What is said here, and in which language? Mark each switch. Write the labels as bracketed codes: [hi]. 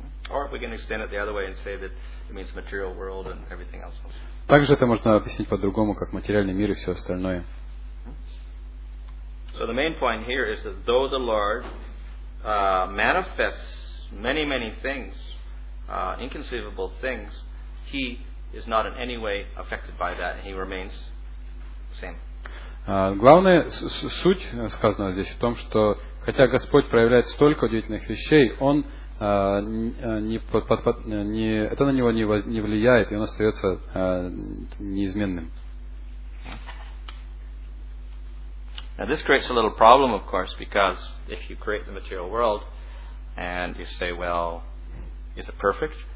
[en] Or we can extend it the other way and say that it means material world and everything else. [ru] Также это можно объяснить по-другому, как материальный мир и все остальное. [en] So the main point here is that though the Lord manifests many, many things, inconceivable things, he is not in any way affected by that, and he remains the same. [ru] Главная суть сказанного здесь в том, что хотя Господь проявляет столько удивительных вещей, он не это на него не влияет, и он остается неизменным. [en] Now this creates a little problem, of course, because if you create the material world and you say, well, is it perfect?